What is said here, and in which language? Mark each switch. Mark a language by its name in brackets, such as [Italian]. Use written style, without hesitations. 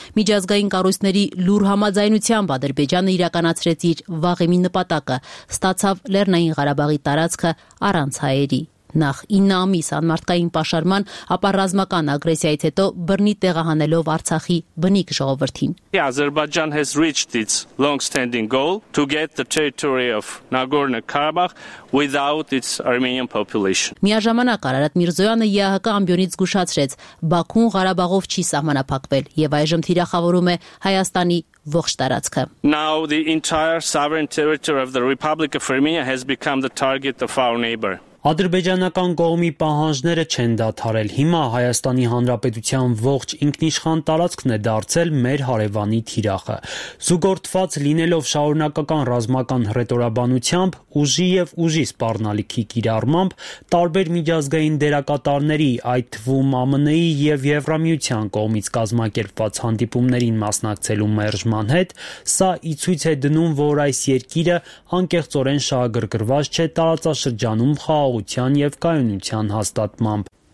[Armenian] Միջազգային կառույցների լուր համաձայնությամբ Ադրբեջանը իրականացրեց իր վաղեմի նպատակը, ստացավ Լեռնային Ղարաբաղի տարածքը առանց հայերի։ Նախ 9 ամիս անմարդկային պաշարման, ապա ռազմական ագրեսիայից հետո բռնի տեղահանելով Արցախի բնիկ ժողովրդին։ [English] Azerbaijan has reached its long-standing goal to get the territory of Nagorno-Karabakh without its Armenian population. [Armenian] Միաժամանակ Արարատ Միրզոյանը ԵԱՀԿ ամբյոնից զգուշացրեց, Բաքուն Ղարաբաղով չի սահմանափակվել եւ այժմ թիրախավորում է Հայաստանի ողջ տարածքը. [English] Now the entire sovereign territory of the Republic of Armenia has become the target of our neighbor. [Armenian] Ադրբեջանական կողմի պահանջները չեն դադարել։ Հիմա Հայաստանի Հանրապետության ողջ ինքնիշխան տարածքն է դարձել մեր հարևանի թիրախը։ Զուգորդված լինելով շարունակական ռազմական հրետորաբանությամբ, ուժի և ուժի սպառնալիքի կիրառմամբ, տարբեր միջազգային դերակատարների, այդ թվում ԱՄՆ-ի և Եվրամիության կողմից կազմակերպված հանդիպումներին մասնակցելու մերժման հետ, սա ի ցույց է դնում, որ այս երկիրը անկեղծորեն շահագրգռված չէ տարածաշրջանում խաղաղության և կայունության հաստատմամբ։